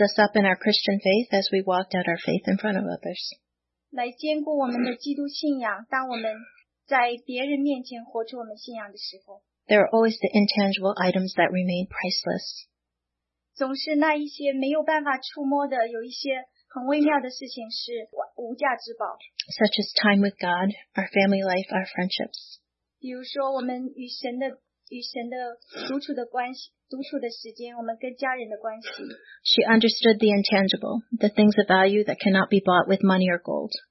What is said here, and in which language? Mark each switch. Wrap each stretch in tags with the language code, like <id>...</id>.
<en>us up in our Christian faith as we walked out our faith in front of others.</en> <zh>来坚固我们的基督信仰，当我们在别人面前活出我们信仰的时候。</zh> <en>There are always the intangible items that remain priceless.</en> <zh>总是那一些没有办法触摸的，有一些很微妙的事情是无价之宝。</zh> <en>Such as time with God, our family life, our friendships.</en> <zh>比如说我们与神的独处的关系，独处的时间，我们跟家人的关系。</zh> <en>She understood the intangible, the things of value that cannot be bought with money or gold.</en>